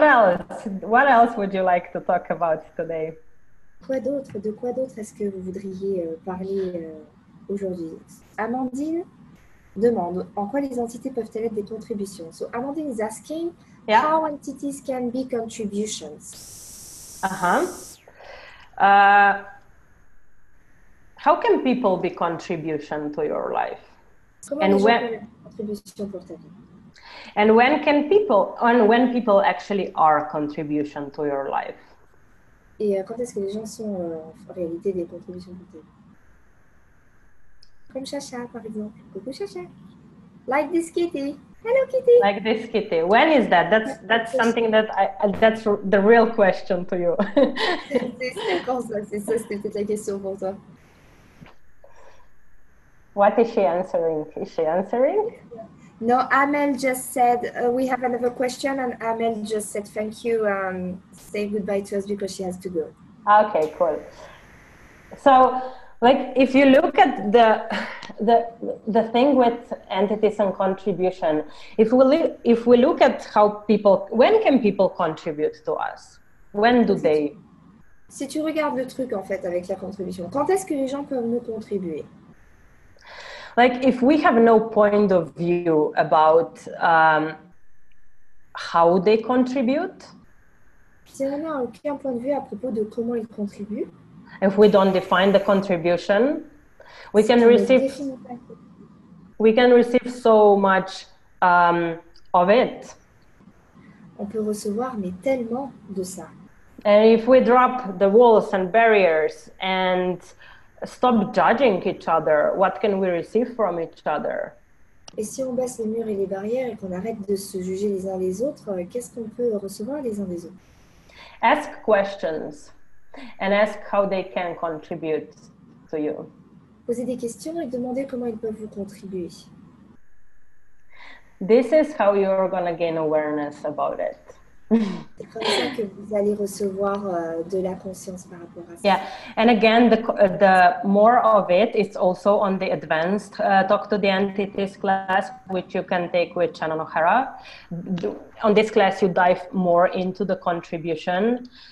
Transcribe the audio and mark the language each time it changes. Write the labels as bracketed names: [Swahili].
[English] What else would you like to talk about today? [French] Quoi d'autre? De quoi d'autre est-ce que vous voudriez parler aujourd'hui? Amandine demande, en quoi les entités peuvent-elles être des contributions? [English] So Amandine is asking, yeah. How entities can be contributions? How can people be contribution to your life? [French] Comment les gens peuvent être contributions pour ta vie? [English] And when can people, and when people actually are contribution to your life? [French] Et quand est-ce que les gens sont en réalité des contributions pour ta vie? Comme Chacha, par exemple. Coucou Chacha. [English] Like this kitty. Hello kitty. Like this kitty. When is that? That's something that that's the real question to you. [French] C'est ça, la question pour toi. [English] What is she answering? Is she answering? No, Amel just said, we have another question, and Amel just said, thank you, say goodbye to us because she has to go. Okay, cool. So, like, if you look at the thing with entities and contribution, if we look at how people, when can people contribute to us? When do they? [French] Si tu regardes le truc, en fait, avec la contribution, quand est-ce que les gens peuvent nous contribuer? [English] Like, if we have no point of view about how they contribute, [French] si on n'a aucun point de vue à propos de comment ils contribuent, [English] if we don't define the contribution, we can receive so much of it. [French] On peut recevoir, mais tellement de ça. [English] And if we drop the walls and barriers and stop judging each other, what can we receive from each other? [French] Et si on baisse les murs et les barrières et qu'on arrête de se juger les uns les autres, qu'est-ce qu'on peut recevoir les uns des autres? [English] Ask questions and ask how they can contribute to you. [French] Posez des questions et demandez comment ils peuvent vous contribuer. [English] This is how you're going to gain awareness about it. [French] C'est comme ça que vous allez recevoir de la conscience par rapport à ça. [English] Yeah, and again, the more of it is also on the advanced Talk to the Entities class, which you can take with Chana Nohara. On this class, you dive more into the contribution.